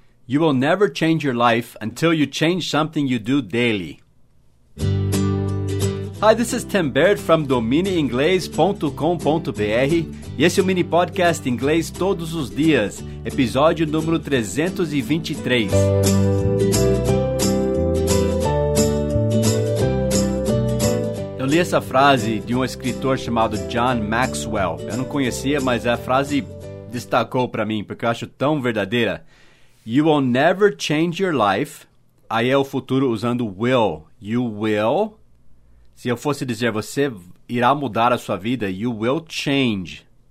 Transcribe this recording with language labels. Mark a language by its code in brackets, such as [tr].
[en] You will never change your life until you change something you do daily. Hi, this is Tim Baird from [pt] DominioInglês.com.br e esse é o mini podcast Inglês Todos os Dias, episódio número 323. Eu li essa frase de um escritor chamado John Maxwell. Eu não conhecia, mas a frase destacou para mim, porque eu acho tão verdadeira. [en] You will never change your life. [pt] Aí é o futuro usando will. [en] You will. [pt] Se eu fosse dizer, você irá mudar a sua vida, [en] you will change.